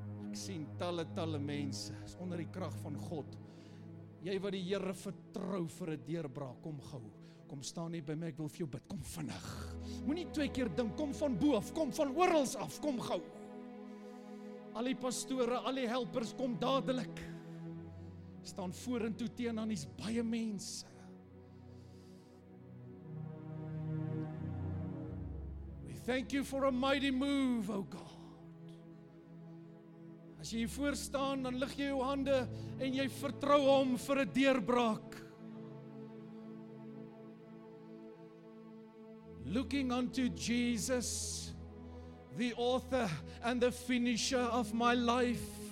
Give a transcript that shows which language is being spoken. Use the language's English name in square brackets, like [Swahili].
[Afrikaans] Ek sien talle mense onder die krag van God. Jy wat die Here vertrou vir 'n deurbraak, kom gou. Kom staan hier by my, ek wil vir jou bid. Kom vinnig. Moenie twee keer dink, kom van bo af, kom van oral af, kom gou. Al die pastore, al die helpers, kom dadelik. Staan vorentoe teen aan hierdie baie mense. [English] We thank you for a mighty move, O God. [Afrikaans] As jy voor staan, dan lig jy jou hande en jy vertrou hom vir 'n deurbraak. [English] Looking unto Jesus, the author and the finisher of my life.